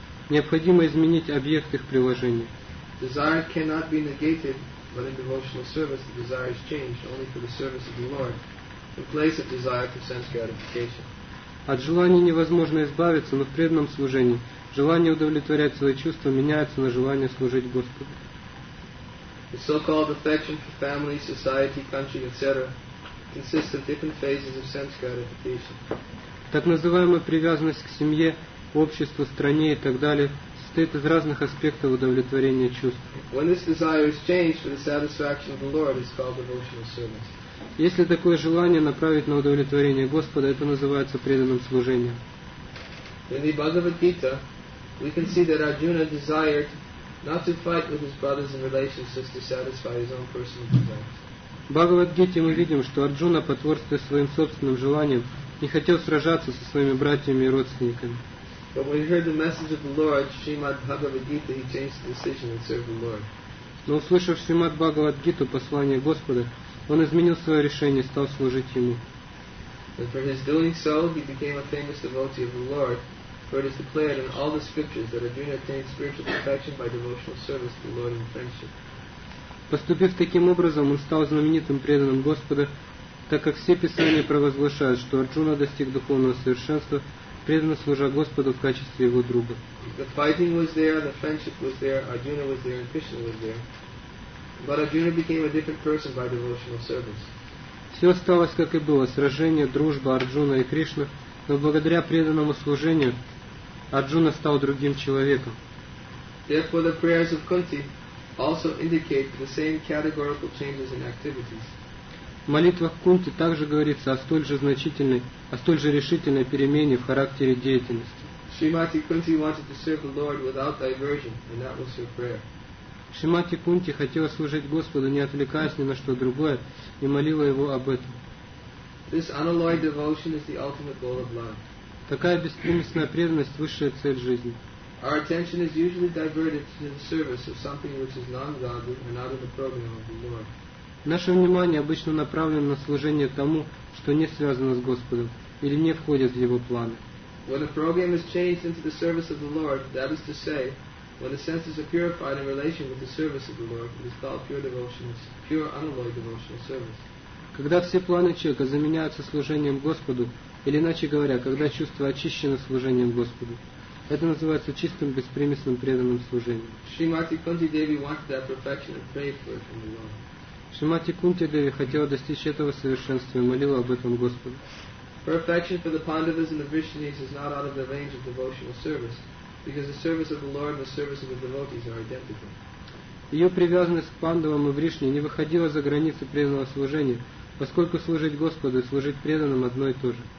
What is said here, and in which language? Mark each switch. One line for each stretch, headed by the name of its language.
Russian: Необходимо изменить объект их приложения.
English: Desire cannot be negated, but in devotional service the desire is changed only for the service of the Lord, in place of desire for sense gratification.
Russian: От желания невозможно избавиться, но в преданном служении желание удовлетворять свои чувства меняется на желание служить Господу.
English: The so-called affection for family, society, country, etc. consists of different phases of sense gratification.
Russian: Так называемая привязанность к семье, обществу, стране и так далее состоит из разных аспектов удовлетворения чувств.
English: When this desire is changed for the satisfaction of the Lord, it's called devotional service.
Russian: Если такое желание направить на удовлетворение Господа, это называется преданным служением.
English: In the Bhagavad Gita, we can see that Arjuna desired not to fight with his brothers and relations just to satisfy his own personal desires.
Russian: В Бхагавад-гите мы видим, что Арджуна, потворствуя своим собственным желанием, не хотел сражаться со своими братьями и родственниками.
English: But when he heard the message of the Lord, Srimad Bhagavad-gita, he changed the decision and served the Lord.
Russian: Но услышав Шримад Бхагавад-гиту, послание Господа, он изменил свое решение и стал служить Ему.
English: And for his doing so, he became a famous devotee of the Lord. For it is declared in all the scriptures that Arjuna attained spiritual perfection by devotional service to the Lord in friendship.
Russian: Поступив таким образом, он стал знаменитым преданным Господа, так как все писания провозглашают, что Арджуна достиг духовного совершенства, преданно служа Господу в качестве его друга.
English: The fighting was there, the friendship was there, Arjuna was there, and Krishna was there. But Arjuna became a different person by devotional service.
Russian: Все осталось, как и было, сражение, дружба, Арджуна и Кришна. Но благодаря преданному служению Арджуна стал другим человеком.
English: Therefore, the prayers of Kunti also indicate the same categorical changes in activities.
Russian: В молитвах Кунти также говорится о столь же значительной, о столь же решительной перемене в характере деятельности.
English: Shrimati Kunti wanted to serve the Lord without diversion, and that was her prayer.
Russian: Шримати Кунти хотела служить Господу, не отвлекаясь ни на что другое, и молила его об этом.
English: This unalloyed devotion is the ultimate goal of life.
Russian: Такая беспримесная преданность – высшая цель жизни.
English: Our attention is usually diverted to the service of something which is non-godly and out of the program of the Lord.
Russian: Наше внимание обычно направлено на служение тому, что не связано с Господом или не входит в Его планы.
English: When a program is changed into the service of the Lord, that is to say, when the senses are purified in relation with the service of the Lord, it is called pure devotion, pure unalloyed devotional service.
Russian: Когда все планы человека заменяются служением Господу, или иначе говоря, когда чувства очищены служением Господу, это называется чистым, беспримесным, преданным служением.
English: Shrimati Kunti Devi wanted that perfection and prayed for it from the Lord.
Russian: Shrimati Kunti Devi хотела достичь этого совершенства и молила об этом Господу.
English: Perfection for the Pandavas and the Vrishnis is not out of the range of devotional service, because the service of the Lord and the service of the devotees are identical.
Russian: Ее привязанность к Пандавам и Вришне не выходила за границы преданного служения, поскольку служить Господу и служить преданным одно и то же.